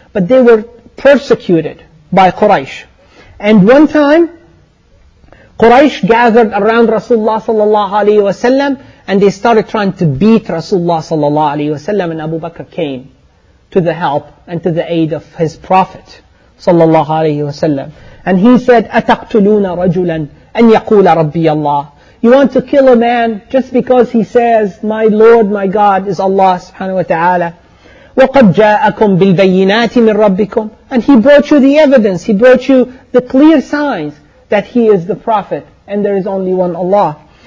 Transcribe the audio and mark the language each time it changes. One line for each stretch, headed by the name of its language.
English: But they were persecuted by Quraysh. And one time, Quraysh gathered around Rasulullah sallallahu alayhi wa sallam and they started trying to beat Rasulullah sallallahu alayhi wa sallam, and Abu Bakr came to the help and to the aid of his Prophet sallallahu alayhi wa sallam. And he said,
Arabic: أَتَقْتُلُونَ رَجُلًا أَنْ يَقُولَ رَبِّيَ اللَّهِ.
English: You want to kill a man just because he says, my Lord, my God is Allah subhanahu wa ta'ala.
Arabic: وَقَدْ جَاءَكُمْ بِالْبَيِّنَاتِ مِنْ رَبِّكُمْ.
English: And he brought you the evidence, he brought you the clear signs that he is the Prophet and there is only one Allah.